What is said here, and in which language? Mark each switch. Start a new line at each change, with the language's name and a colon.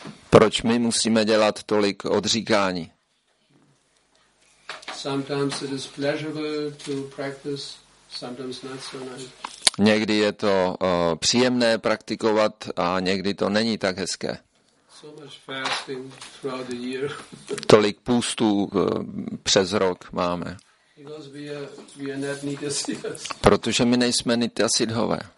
Czech: Proč my musíme dělat tolik odříkání?
English: Sometimes it is pleasurable to practice, sometimes not so nice.
Czech: Někdy je to příjemné praktikovat a někdy to není tak hezké.
English: So much fasting throughout the year.
Czech: Tolik půstů přes rok máme.
English: Because we are not nityasiddhas.
Czech: Protože my nejsme nityasiddhové.